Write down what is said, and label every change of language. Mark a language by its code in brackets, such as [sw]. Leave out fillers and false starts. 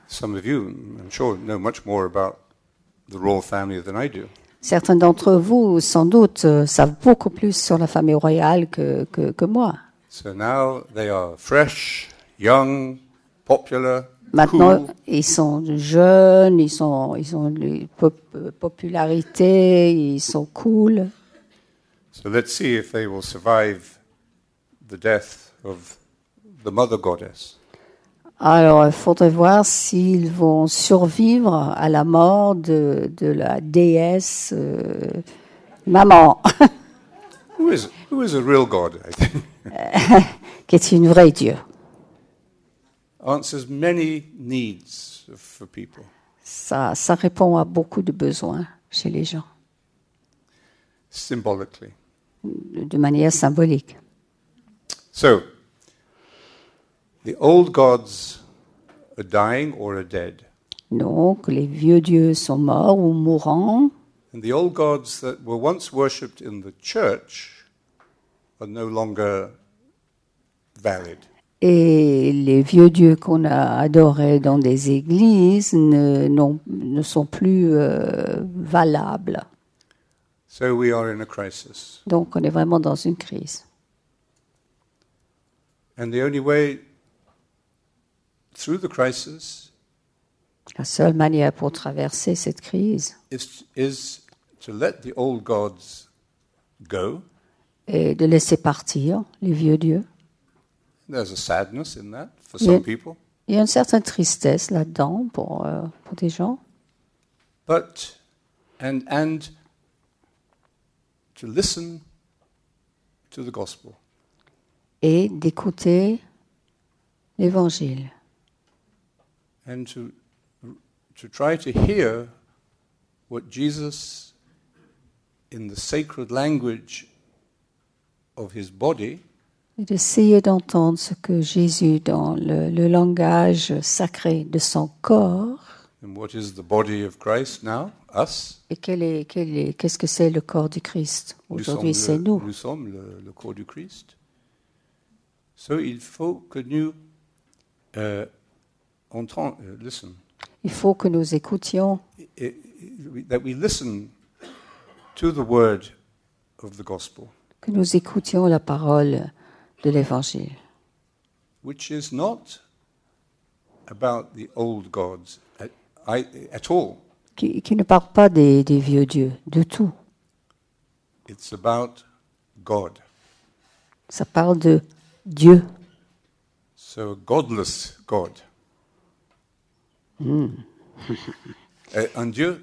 [en] Some of you, I'm sure, know much more about the royal family than I do. [fr] Certains d'entre vous, sans doute, savent beaucoup plus sur la famille royale que moi. [en] So now they are fresh, young, popular. [fr] Maintenant, cool. Ils sont jeunes, ils ont une popularité, ils sont cool. [en] So let's see if they will survive the death of the mother goddess. [fr] Alors, il faudrait voir s'ils vont survivre à la mort de la déesse maman. [en] Who is a real god, I think? [fr] Qui est une vraie dieu. [en] Answers many needs for people. [fr] Ça répond à beaucoup de besoins chez les gens. [en] Symbolically. [fr] De manière symbolique. [en] So, the old gods are dying or are dead. [fr] Donc, les vieux dieux sont morts ou mourants. [en] And the old gods that were once worshipped in the church are no longer valid. [fr] Et les vieux dieux qu'on a adorés dans des églises ne sont plus valables. [en] So we are in a crisis. [fr] Donc, on est vraiment dans une crise. [en] And the only way through the crisis, [fr] la seule manière pour traverser cette crise, [en] is to let the old gods go, [fr] et de laisser partir les vieux dieux. [en] There's a sadness in that for some people. [fr] Il y a une certaine tristesse là-dedans pour des gens. [en] But and to listen to the gospel. [fr] Et d'écouter l'évangile. [en] And to try to hear what Jesus in the sacred language of his body. [fr] Et d'essayer d'entendre ce que Jésus, dans le langage sacré de son corps, [en] and what is the body of Christ now, us, [fr] et qu'est-ce que c'est le corps du Christ aujourd'hui, c'est nous. Nous sommes le corps du Christ. So il faut que nous listen. Il faut que nous écoutions. [en] That we listen to the word of the gospel. [fr] Que nous écoutions la parole de l'évangile. [en] Which is not about the old gods at all. [fr] Qui ne parle pas des vieux dieux du tout. [en] It's about God. [fr] Ça parle de Dieu. [en] So a godless God. Mm. [fr] un Dieu